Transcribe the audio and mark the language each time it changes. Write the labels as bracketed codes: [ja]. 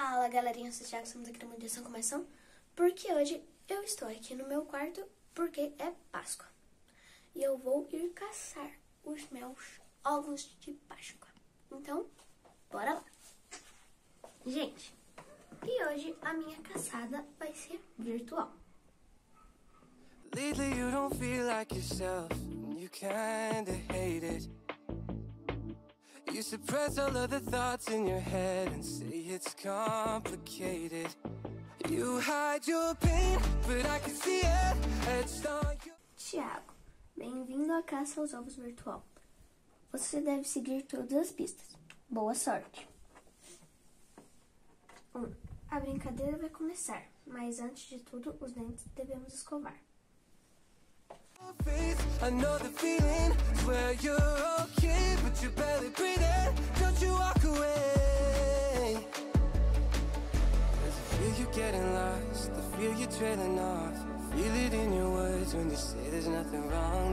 [pt] galerinha, vocês já estamos aqui na Mundiação Começão, porque hoje eu estou aqui no meu quarto porque é Páscoa. E eu vou ir caçar os meus ovos de Páscoa. Então, bora lá! Gente, e hoje a minha caçada vai ser virtual. [en] Lately you don't feel like yourself, you kinda hate it. You suppress all of the thoughts in your head and say it's complicated. You hide your pain, but I can see it. It's not your... [pt] Tiago, bem-vindo à Caça aos Ovos Virtual. Você deve seguir todas as pistas. Boa sorte. 1. A brincadeira vai começar, mas antes de tudo, os dentes devemos escovar. [en] I know the feeling, swear you're okay, but you're barely breathing, don't you walk away. There's a fear you're getting lost, the fear you're trailing off. Feel it in your words when you say there's nothing wrong.